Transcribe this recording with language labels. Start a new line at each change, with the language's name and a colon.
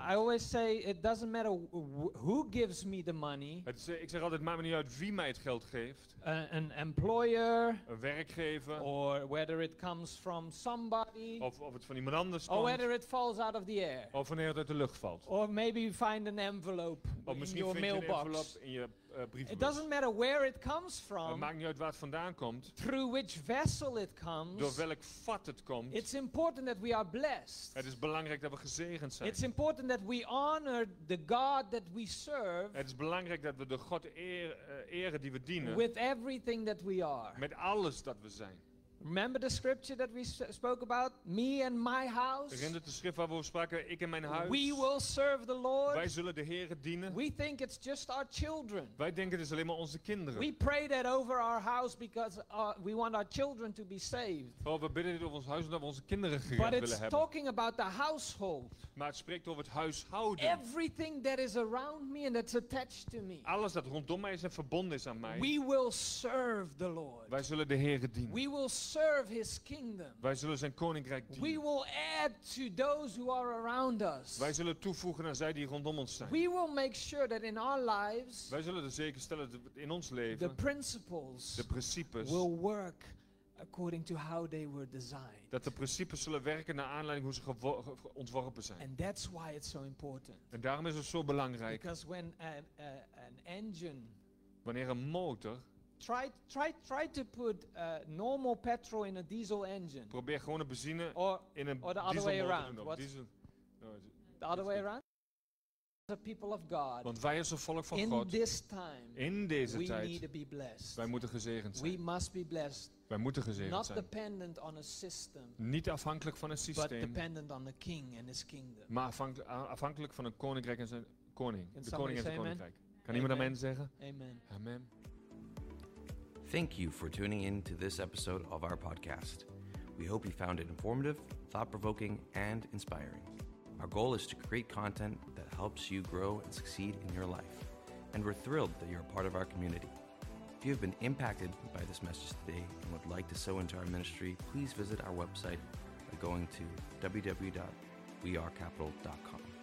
English: I always say it doesn't matter who gives me the money.
Dutch: Ik zeg altijd het maakt me niet uit wie mij het geld geeft.
English: An employer.
Dutch: Een werkgever.
English: Or whether it comes from somebody.
Dutch: Of het van iemand anders
English: or
Dutch: komt.
English: Or whether it falls out of the air.
Dutch: Of wanneer het uit de lucht valt.
English: Or maybe you find an envelope
Dutch: of
English: in your mailbox.
Dutch: Je een in je
English: it doesn't matter where it comes from.
Dutch: Het maakt niet uit waar het vandaan komt.
English: Through which vessel it comes.
Dutch: Door welk vat het komt.
English: It's important that we are blessed.
Dutch: Het is belangrijk dat we gezegend zijn.
English: It's important that we honor the God that we serve.
Dutch: Het is belangrijk dat we de God eren die we dienen.
English: With everything that we are.
Dutch: Met alles dat we zijn.
English: Remember the scripture that we spoke about? Me and my house.
Dutch: Herinner de schrift waar we spraken, ik en mijn huis.
English: We will serve the Lord.
Dutch: Wij zullen de Heere dienen.
English: We think it's just our children.
Dutch: Wij denken het is alleen maar onze kinderen.
English: We pray that over our house because we want our children to be saved.
Dutch: Oh, we bidden dit over ons huis omdat we onze kinderen gered willen hebben.
English: But it's talking about the household.
Dutch: Maar het spreekt over het huishouden.
English: Everything that is around me and that's attached to me.
Dutch: Alles dat rondom mij is en verbonden is aan mij.
English: We will serve the Lord.
Dutch: Wij zullen de Heere dienen.
English: We will serve his kingdom.
Dutch: Wij zullen zijn koninkrijk dienen.
English: We will add to those who are around us.
Dutch: Wij zullen toevoegen aan zij die rondom ons zijn.
English: We will make sure that in our lives.
Dutch: Wij zullen er zeker stellen dat in ons leven.
English: The principles.
Dutch: De principes.
English: Will work according to how they were designed.
Dutch: Dat de principes zullen werken naar aanleiding hoe ze ontworpen zijn.
English: And that's why it's so important.
Dutch: En daarom is het zo belangrijk.
English: Because when an engine.
Dutch: Wanneer een motor.
English: Try to put normal petrol in a diesel engine.
Dutch: Probeer gewoon een benzine
English: or,
Dutch: in een
English: or the
Dutch: diesel
English: other way around.
Dutch: Diesel,
English: no, the other way around? The people of God.
Dutch: Want wij als een volk van
English: in
Dutch: God.
English: In this time.
Dutch: In deze
English: we
Dutch: tijd.
English: We need to be blessed.
Dutch: Wij moeten gezegend zijn.
English: We must be blessed.
Dutch: Wij moeten gezegend
English: not
Dutch: zijn.
English: Not dependent on a system.
Dutch: Niet afhankelijk van een systeem.
English: But dependent on the king and his kingdom.
Dutch: Maar afhankelijk van een koninkrijk en zijn koning.
English: Can
Dutch: de koning en zijn koninkrijk.
English: Amen?
Dutch: Kan iemand amen zeggen? Amen. Amen.
English: Thank you for tuning in to this episode of our podcast. We hope you found it informative, thought-provoking, and inspiring. Our goal is to create content that helps you grow and succeed in your life. And we're thrilled that you're a part of our community. If you have been impacted by this message today and would like to sow into our ministry, please visit our website by going to www.wearecapital.com.